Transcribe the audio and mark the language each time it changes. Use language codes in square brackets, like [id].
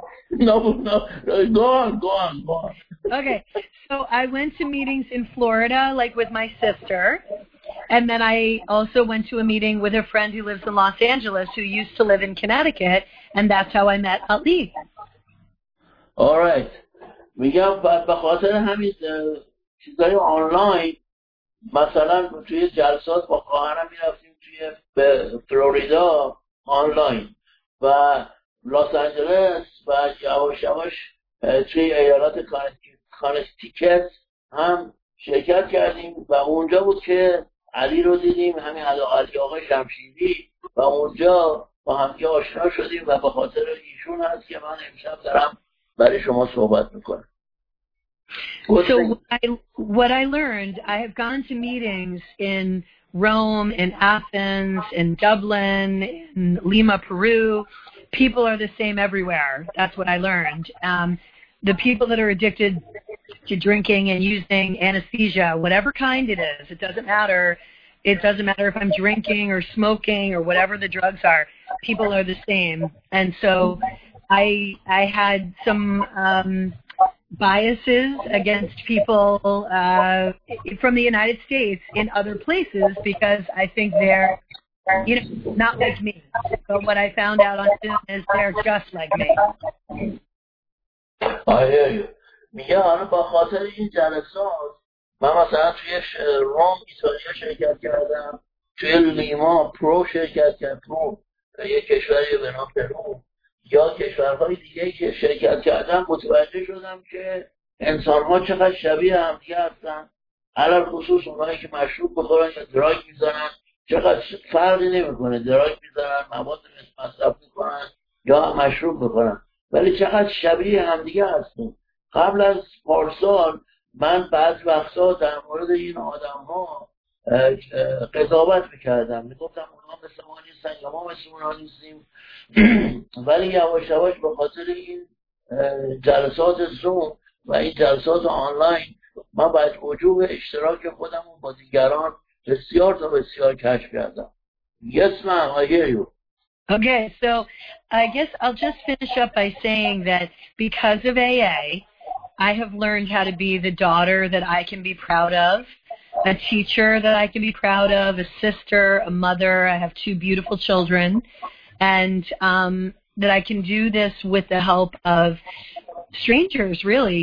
[en] No, go on. Okay, so I went to meetings in Florida, like with my sister, and then I also went to a meeting with a friend who lives in Los Angeles who used to live in Connecticut, and that's how I met Ali. All right. [fa] میگم به خاطر همین چیزای آنلاین مثلا توی جلسات با خواهرم میرفتیم توی فلوریدا آنلاین و لس آنجلس و یواش یواش توی ایالات کانتیکت هم شرکت کردیم و اونجا بود که علی رو دیدیم همین علی آقای شمشیری و اونجا با همگی آشنا شدیم و به خاطر ایشون هست که من امشب دارم برای شما صحبت میکنم. [en] So what I learned, I have gone to meetings in Rome, in Athens, in Dublin, in Lima, Peru. People are the same everywhere. That's what I learned. The people that are addicted to drinking and using anesthesia, whatever kind it is, it doesn't matter. It doesn't matter if I'm drinking or smoking or whatever the drugs are. People are the same. And so I had some biases against people from the United States in other places because I think they're You know, not like me. But what I found out on Zoom is they're just like me. I hear you. [fa] میگه حالا با خاطر این جلسات من مثلا توی روم ایتالیا شرکت کردم، توی لیما پرو شرکت کردم، یه کشوری به نام پرو یا کشورهای دیگه که شرکت کردم، متوجه شدم که انسان ها چقدر شبیه هم دیگه هستن، علل خصوص اونهایی که مشروب بخورن یا دراگ میزنن چقدر فرقی نمی کنه، دراگ میزنن، مواد مصرف میکنن یا مشروب بخورن، ولی چقدر شبیه هم دیگه هستن. قبل از پارسال من بعض وقتا در مورد این آدم ها قضاوت میکردم، میگفتم اونا مثل ما نیستن یا ما مثل اونا نیستیم، ولی یواش یواش به خاطر این جلسات زوم و این جلسات آنلاین من باید وجوب اشتراک خودم با دیگران بسیار تا بسیار کشف کردم. [en] Yes, ma'am, I hear you. Okay, so I guess I'll just finish up by saying that because of AA, I have learned how to be the daughter that I can be proud of, a teacher that I can be proud of, a sister, a mother. I have two beautiful children, and that I can do this with the help of strangers, really.